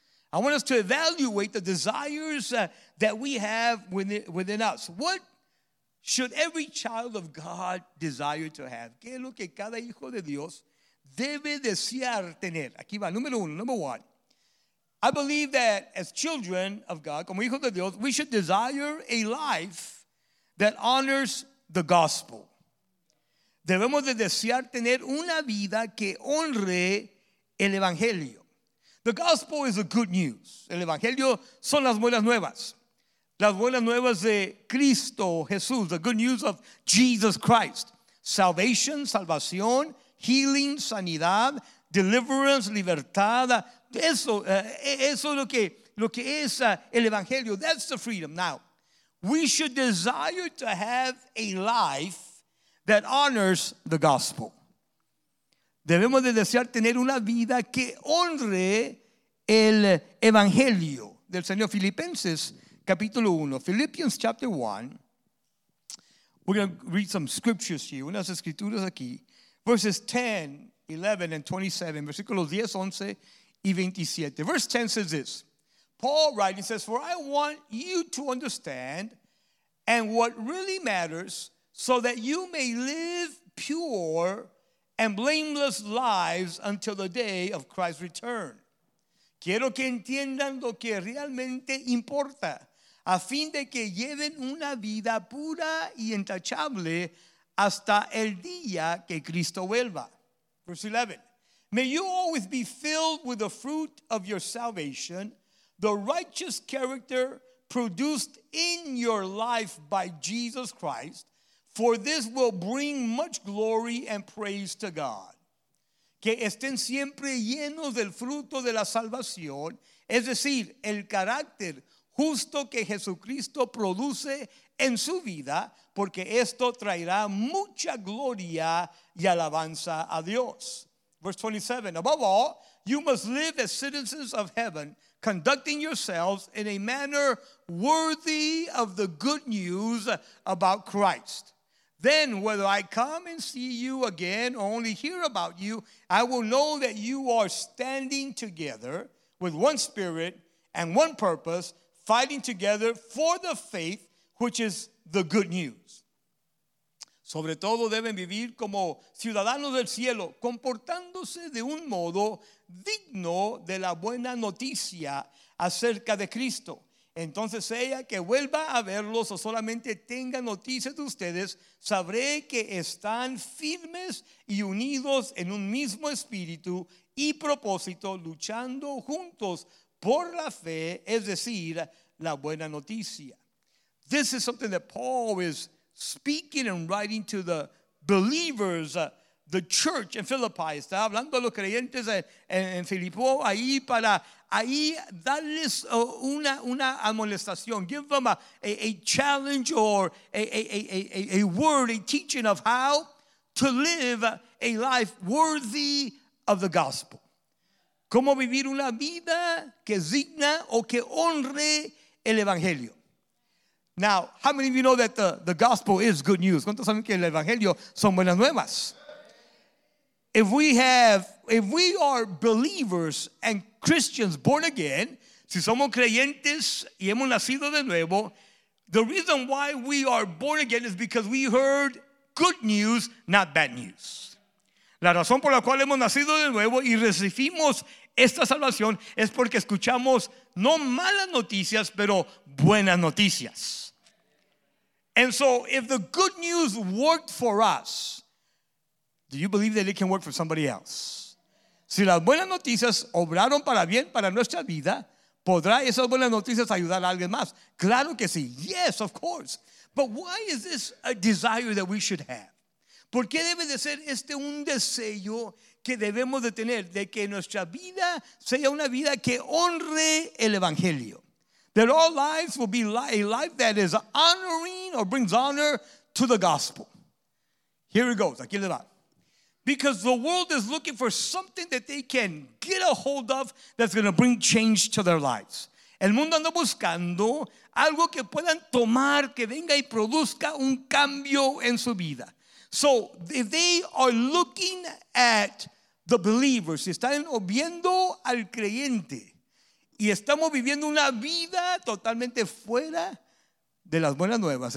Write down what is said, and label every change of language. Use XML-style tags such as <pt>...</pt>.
<en>I want us to evaluate the desires that we have within us. What should every child of God desire to have?</en> <es>¿Qué es lo que cada hijo de Dios debe desear tener? Aquí va, número uno,</es> <en>number one. I believe that as children of God,</en> <es>como hijos de Dios,</es> <en>we should desire a life that honors the gospel.</en> <es>Debemos de desear tener una vida que honre el evangelio.</es> <en>The gospel is the good news.</en> <es>El evangelio son las buenas nuevas. Las buenas nuevas de Cristo Jesús,</es> <en>the good news of Jesus Christ. Salvation,</en> <es>salvación,</es> <en>healing,</en> <es>sanidad,</es> <en>deliverance,</en> <es>libertad. Eso es lo que es el evangelio.</es> <en>That's the freedom. Now, we should desire to have a life that honors the gospel.</en> <es>Debemos de desear tener una vida que honre el evangelio del Señor. Filipenses capítulo 1,</es> <en>Philippians chapter 1. We're going to read some scriptures here,</en> <es>unas escrituras aquí.</es> <en>Verses 10, 11 and 27.</en> <es>Versículos 10, 11 y 27.</es> <en>Verse 10 says this. Paul writing says, "For I want you to understand and what really matters, so that you may live pure and blameless lives until the day of Christ's return.</en> <es>Quiero que entiendan lo que realmente importa, a fin de que lleven una vida pura y intachable hasta el día que Cristo vuelva."</es> <en>Verse 11. "May you always be filled with the fruit of your salvation, the righteous character produced in your life by Jesus Christ, for this will bring much glory and praise to God."</en> <es>Que estén siempre llenos del fruto de la salvación, es decir, el carácter justo que Jesucristo produce en su vida, porque esto traerá mucha gloria y alabanza a Dios.</es> <en>Verse 27, "Above all, you must live as citizens of heaven, conducting yourselves in a manner worthy of the good news about Christ. Then, whether I come and see you again or only hear about you, I will know that you are standing together with one spirit and one purpose, fighting together for the faith, which is the good news.</en> <es>Sobre todo deben vivir como ciudadanos del cielo, comportándose de un modo digno de la buena noticia acerca de Cristo. Entonces sea que vuelva a verlos o solamente tenga noticias de ustedes, sabré que están firmes y unidos en un mismo espíritu y propósito, luchando juntos por la fe, es decir, la buena noticia."</es> <en>This is something that Paul is speaking and writing to the believers, the church in Philippi.</en> <es>Está hablando a los creyentes en Filipo ahí para ahí darles una amonestación.</es> <en>Give them a challenge or a word, a teaching of how to live a life worthy of the gospel.</en> <es>¿Cómo vivir una vida que digna o que honre el evangelio?</es> <en>Now, how many of you know that the gospel is good news?</en> <es>¿Cuántos saben que el evangelio son buenas nuevas?</es> <en>If we are believers and Christians born again,</en> <es>si somos creyentes y hemos nacido de nuevo,</es> <en>the reason why we are born again is because we heard good news, not bad news.</en> <es>La razón por la cual hemos nacido de nuevo y recibimos esta salvación es porque escuchamos no malas noticias, pero buenas noticias.</es> <en>And so if the good news worked for us, do you believe that it can work for somebody else?</en> <es>Si las buenas noticias obraron para bien para nuestra vida, ¿podrá esas buenas noticias ayudar a alguien más? Claro que sí.</es> <en>Yes, of course. But why is this a desire that we should have?</en> <es>¿Por qué debe de ser este un deseo que debemos de tener? De que nuestra vida sea una vida que honre el evangelio.</es> <en>That all lives will be a life that is honoring or brings honor to the gospel. Here it goes.</en> <es>Aquí le va.</es> <en>Because the world is looking for something that they can get a hold of that's going to bring change to their lives.</en> <es>El mundo anda buscando algo que puedan tomar, que venga y produzca un cambio en su vida.</es> <en>So they are looking at the believers.</en> <es>Están viendo al creyente. Y estamos viviendo una vida totalmente fuera de las buenas nuevas.</es>